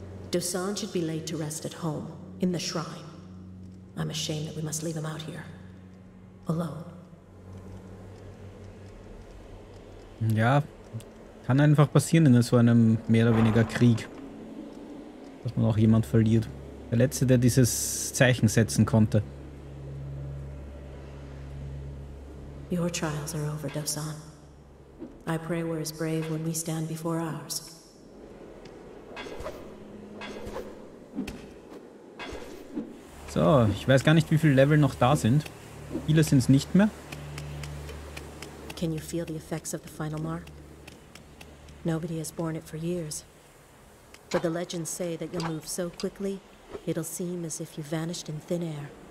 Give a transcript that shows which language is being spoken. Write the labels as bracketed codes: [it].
[en] Dosan should be laid to rest at home. In the shrine. I'm ashamed that we must leave him out here. Alone. [de] Ja, kann einfach passieren in so einem mehr oder weniger Krieg. Dass man auch jemand verliert. Der Letzte, der dieses Zeichen setzen konnte. [en] Your trials are over, Dosan. I pray we're as brave when we stand before ours. [de] So, ich weiß gar nicht, wie viele Level noch da sind. Viele sind es nicht mehr. [en] Can you feel the effects of the final mark? Nobody has borne it for years. But the legends say that you'll move so quickly, it'll seem as if you vanished in thin air.